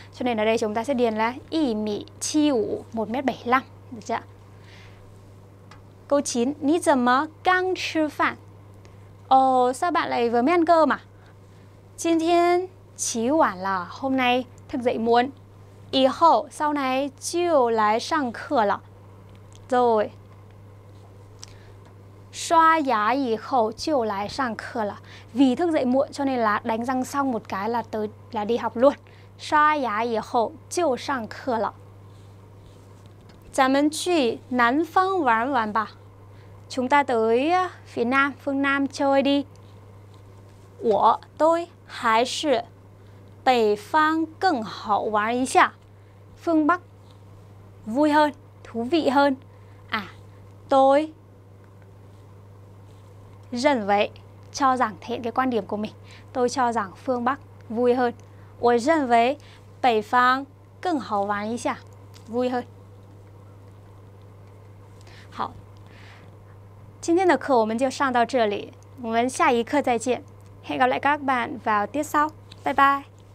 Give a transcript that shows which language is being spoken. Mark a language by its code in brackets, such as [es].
[vi] Cho nên ở đây chúng ta sẽ điền là y mỉ chi ủ 1m75. Được chưa? Câu 9. [zh] 你怎么刚吃饭? [vi] Ồ, sao bạn lại vừa mới ăn cơm à? [zh] 今天起晚了, [vi] hôm nay thức dậy muộn. [zh] 以后, [vi] sau này, [zh] 就来上课了. [vi] Rồi. [zh] 刷牙以后就来上课了. [vi] Vì thức dậy muộn, cho nên là đánh răng xong một cái là tới là đi học luôn. [zh] 刷牙以后就上课了.咱们去南方玩玩吧. [vi] Chúng ta tới phía Nam, phương Nam chơi đi. 我, tôi, [zh] 还是北方更好玩一下, [vi] phương Bắc vui hơn, thú vị hơn. À, tôi nhận vậy, cho rằng thể cái quan điểm của mình, tôi cho rằng phương Bắc vui hơn. [zh] 我认为北方更好玩一下, [vi] vui hơn. [zh] 好, 今天的课我们就上到这里, 我们下一课再见, [vi] hẹn gặp lại các bạn vào tiết sau, bye bye.